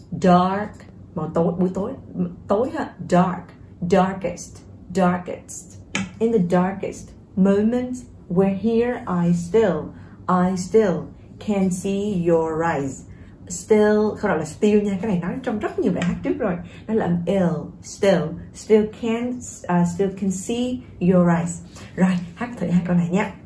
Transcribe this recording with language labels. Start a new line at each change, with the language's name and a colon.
Vietnamese: dark, màu tối, buổi tối, tối hả,
English: dark, darkest, in the darkest moment, where here I still can see your eyes.
Vietnamese: Still, không gọi là still nha, cái này nói trong rất nhiều bài hát trước rồi. Nó là ill,
English: still can see your eyes.
Vietnamese: Rồi, hát thử hai câu này nhé.